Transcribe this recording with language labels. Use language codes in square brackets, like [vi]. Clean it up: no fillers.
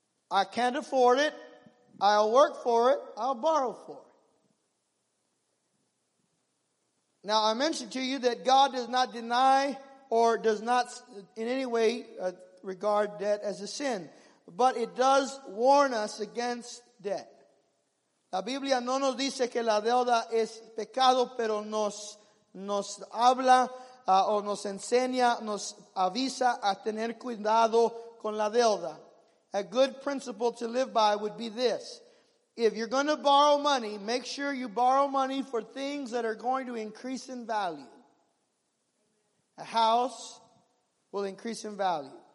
[en] I can't afford it. I'll work for it. I'll borrow for it. Now I mentioned to you that God does not deny or does not in any way regard debt as a sin. But it does warn us against debt. [es] La Biblia no nos dice que la deuda es pecado, pero nos habla o nos enseña, nos avisa a tener cuidado con la deuda. [en] A good principle to live by would be this. If you're going to borrow money, make sure you borrow money for things that are going to increase in value. A house will increase in value.